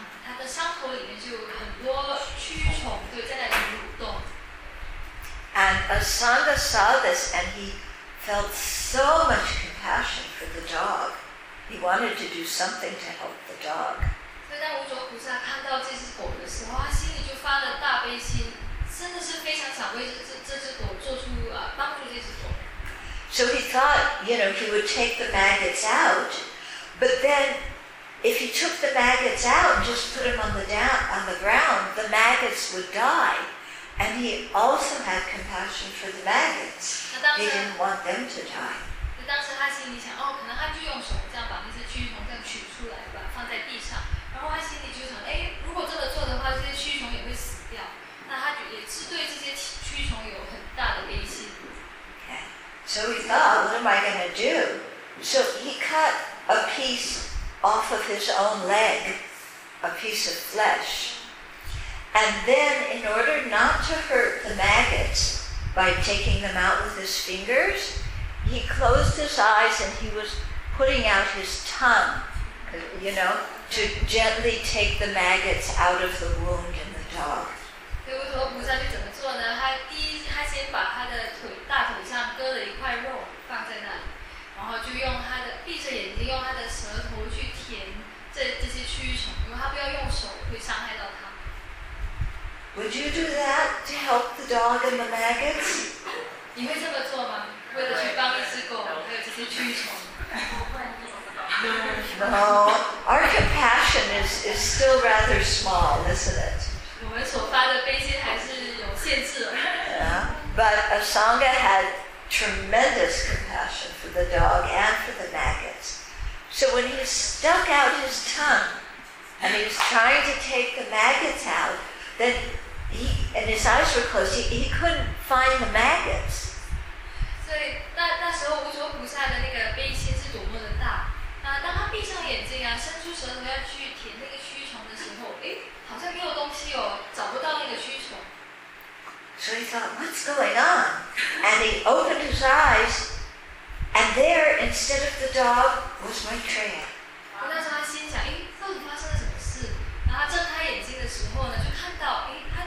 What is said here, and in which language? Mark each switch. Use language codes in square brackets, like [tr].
[en] That dog had been injured, and in the wound there were all sorts of maggots. You know, these worms crawling around in the big wound. And Asanga saw this, and he felt so much compassion for the dog. He wanted to do something to help the dog. So when [zh] 无着菩萨看到这只狗的时候，他心里就发了大悲心，真的是非常想为这只狗做出帮助这只狗。 [en] So he thought, you know, he would take the maggots out, but then if he took the maggots out and just put them on the ground, the maggots would die. And he also had compassion for the maggots. He didn't want them to die. [zh] 当时他心里想，哦，可能他就用手这样把那些蛆虫这样取出来，把放在地上。然后他心里就想，哎，如果这么做的话，这些蛆虫也会死掉。那他也是对这些蛆虫有很大的悲心。 [en] Okay. So he thought, what am I going to do? So he cut a piece off of his own leg, a piece of flesh. And then, in order not to hurt the maggots by taking them out with his fingers, he closed his eyes and he was putting out his tongue, you know, to gently take the maggots out of the wound in the dog. [zh] 对，无着菩萨就怎么做呢？他先把他的腿大腿上割了一块肉放在那里，然后就用他的闭着眼睛，用他的舌头去舔这些蛆虫，因为他不要用手会伤害到他。 [en] Would you do that to help the dog and the maggots? [zh] 你会这么做吗？为了去帮一只狗，还有这些蛆虫？ [en] No, our compassion is still rather small, isn't it? [zh] 我们所发的悲心还是有限制。 [en] But Asanga had tremendous compassion for the dog and for the maggots. So when he stuck out his tongue and he was trying to take the maggots out, then and his eyes were closed, he couldn't find the maggots. [zh] So, 那时候无着菩萨的那个悲心是多么的大。那当他闭上眼睛啊，伸出舌头要去舔那个蛆虫的时候，哎，好像没有东西哦，找不到那个蛆虫。 [en] So he thought, what's going on? And he opened his eyes, and there, instead of the dog, was Maitreya. [zh] 那时候他心想，哎，到底发生了什么事？然后他睁开眼睛的时候呢，就看到，哎。